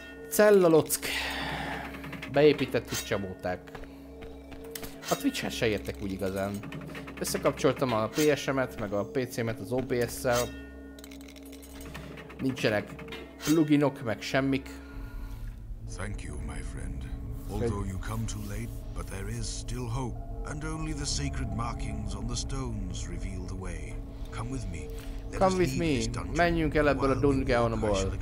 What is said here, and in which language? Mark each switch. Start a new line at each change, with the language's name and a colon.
Hungarian: Cellalock. Beépített kis csabóták. A Twitch-hez se értek úgy igazán. Összekapcsoltam a PS-emet, meg a PC-met az OBS-szel. Nincsenek pluginok, meg semmik.
English: Thank you, my friend. Although you come too late, but there is still hope. And only the sacred markings on the stones reveal the way. Come with me. Come with me.
Hungarian: Menjünk el ebből a dungeonból.